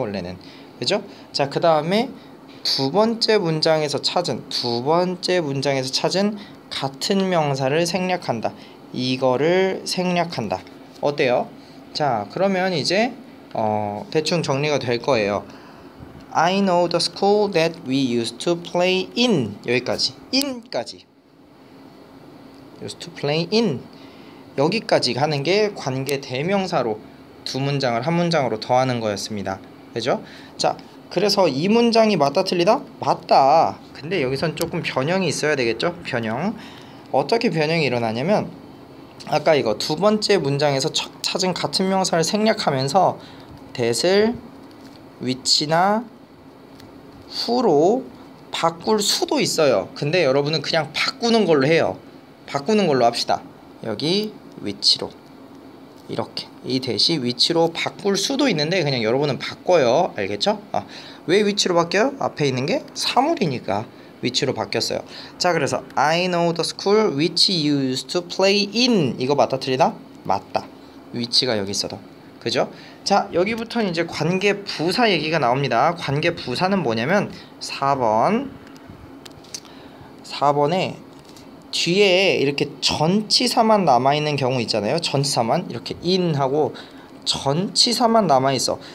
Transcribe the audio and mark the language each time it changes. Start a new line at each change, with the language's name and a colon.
Korean: 원래는 그죠? 자, 그 다음에 두 번째 문장에서 찾은 두 번째 문장에서 찾은 같은 명사를 생략한다. 이거를 생략한다. 어때요? 자, 그러면 이제 대충 정리가 될 거예요.
English: I know the school that we used to play in.
Korean: 여기까지. in까지.
English: used to play in.
Korean: 여기까지 가는 게 관계 대명사로 두 문장을 한 문장으로 더하는 거였습니다. 그죠? 자, 그래서 이 문장이 맞다 틀리다? 맞다. 근데 여기선 조금 변형이 있어야 되겠죠? 변형. 어떻게 변형이 일어나냐면 아까 이거 두 번째 문장에서 찾은 같은 명사를 생략하면서 that을 which나 who로 바꿀 수도 있어요. 근데 여러분은 그냥 바꾸는 걸로 해요. 바꾸는 걸로 합시다. 여기 which로 이렇게 이 대시 위치로 바꿀 수도 있는데 그냥 여러분은 바꿔요. 알겠죠? 아, 왜 위치로 바뀌어요? 앞에 있는 게 사물이니까 위치로 바뀌었어요. 자, 그래서
English: I know the school which you used to play in.
Korean: 이거 맞다 틀리다? 맞다. 위치가 여기 있어도. 그죠? 자, 여기부터는 이제 관계 부사 얘기가 나옵니다. 관계 부사는 뭐냐면 4번 4번에 뒤에 이렇게 전치사만 남아있는 경우 있잖아요. 전치사만 이렇게 in 하고 전치사만 남아있어.